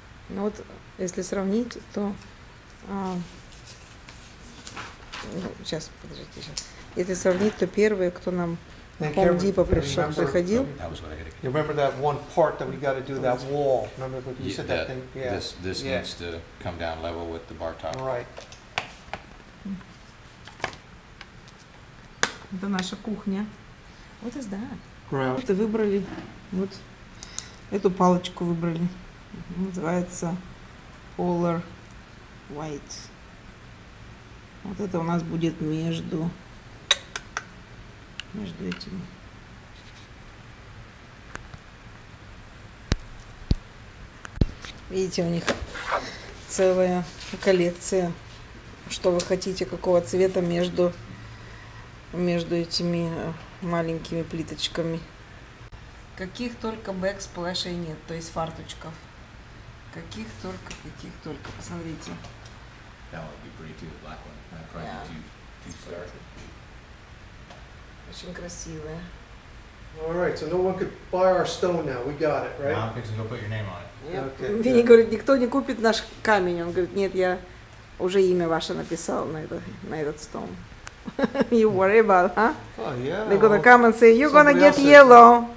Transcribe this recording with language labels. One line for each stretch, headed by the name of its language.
Russian: Ну вот, если сравнить, то... Сейчас. Если сравнить, то первый, кто нам на Home Depot приходил...
English: You remember that one part that we got to do, that wall? Remember when you said that thing? Yeah. This yeah. needs to come down level with the bar top. Right.
Russian: Это наша кухня. Вот и да.
English: Grout.
Russian: Это выбрали. Вот эту палочку выбрали. Называется Polar White. Вот это у нас будет между этими. Видите, у них целая коллекция. Что вы хотите, какого цвета между этими маленькими плиточками. Каких только бэксплэшей нет, то есть фартучков. Каких только, посмотрите.
English: That would be pretty too, the black one. Yeah. Too, too
Russian: Очень красивая.
English: All right, so no one could buy our stone now. We got it, right? Now I'm fixing to go put your name on it. Yeah. Okay.
Russian: Говорит, никто не купит наш камень. Он говорит, нет, я уже имя ваше написал на этот стон.
English: You worry about, huh? Oh, yeah. They're gonna come and say, you're gonna get yellow.